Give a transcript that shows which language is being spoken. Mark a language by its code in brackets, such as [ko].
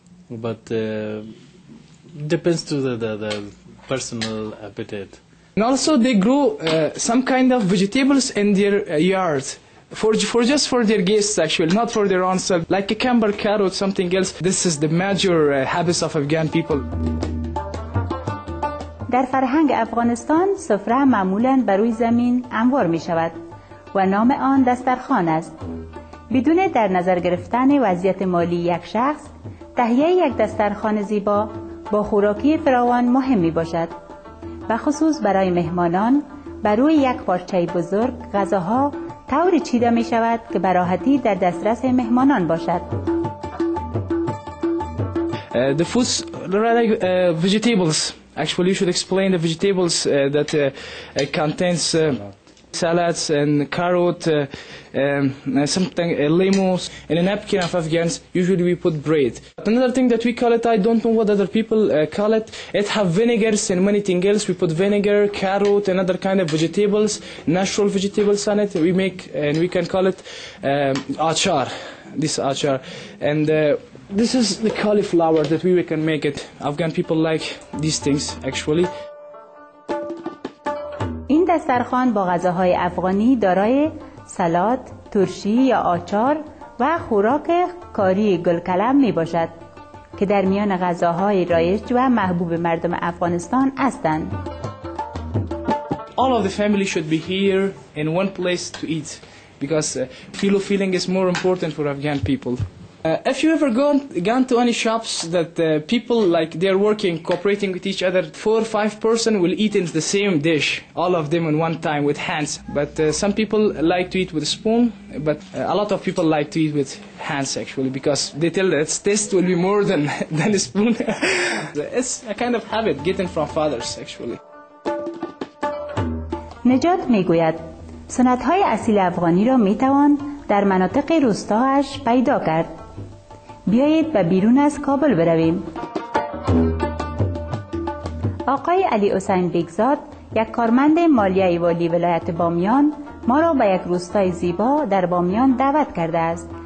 [en] But depends to the personal appetite. And also they grow some kind of vegetables in their yard, for just for their guests actually, not for their own self, like a cucumber, carrot, something else. This is the major habits of Afghan people. [fa] در فرهنگ افغانستان سفره معمولاً بر روی زمین انوار می شود و نام آن دسترخوان است. بدون در نظر گرفتن وضعیت مالی یک شخص، تهیه یک دسترخوان زیبا با خوراکی فراوان مهم می باشد و خصوص برای مهمانان بروی یک پارچه بزرگ غذاها طوری چیده می شود که براحتی در دسترس مهمانان باشد. [en] The foods are like vegetables. Actually, you should explain the vegetables that contains salads and carrot, something, lemons. In a napkin of Afghans, usually we put bread. But another thing that we call it, I don't know what other people call it, it have vinegars and many things else. We put vinegar, carrot, and other kind of vegetables, natural vegetables on it. We make, and we can call it achar, this achar. And this is the cauliflower that we can make it. Afghan people like these things, actually. [fa] این دسترخوان با غذاهای افغانی دارای سالاد، ترشی یا آچار و خوراک کاری گلکلم می باشد که در میان غذاهای رایج و محبوب مردم افغانستان هستند. [en] All of the family should be here in one place to eat because filo feeling is more important for Afghan people. If you ever gone to any shops that people like they are working, cooperating with each other, 4 or 5 person will eat in the same dish, all of them in one time with hands. But some people like to eat with a spoon, but a lot of people like to eat with hands actually, because they tell that its taste will be more than a spoon. It's a kind of habit getting from fathers actually. [fa] نجات میگوید سنت‌های اصیل افغانی را میتوان در مناطق روستاهاش پیدا کرد. بیایید به بیرون از کابل برویم. آقای علی حسین بگزاد، یک کارمند مالیه والی ولایت بامیان، ما را به یک روستای زیبا در بامیان دعوت کرده است.